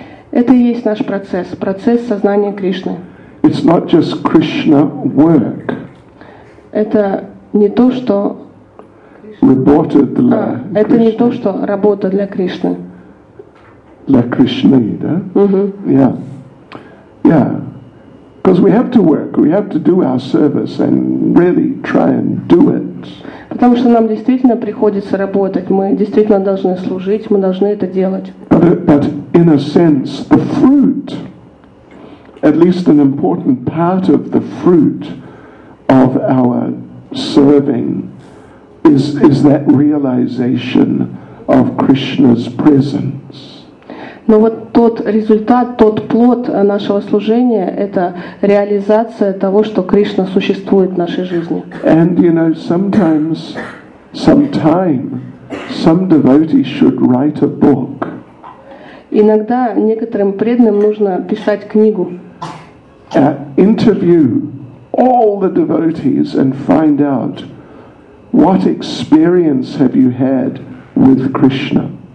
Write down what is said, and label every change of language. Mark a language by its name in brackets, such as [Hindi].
[Russian] Это и есть наш процесс, процесс сознания Кришны. [English] It's not just Krishna work. [Russian] Это не то, что работа для Кришны. Это не то, что работа для Кришны. Для Кришны, да? Yeah. [English] Yeah, because we have to work, we have to do our service and really try and do it. [Russian] Потому что нам действительно приходится работать, мы действительно должны служить, мы должны это делать. [English] But in a sense, the fruit, at least an important part of the fruit of our serving, is that realization of Krishna's presence. [Russian] Но вот тот результат, тот плод нашего служения – это реализация того, что Кришна существует в нашей жизни. [English] And you know, sometimes, sometime, some devotees should write a book. [Russian] Иногда некоторым преданным нужно писать книгу. [English] Interview all the devotees and find out what experience have you had with Krishna.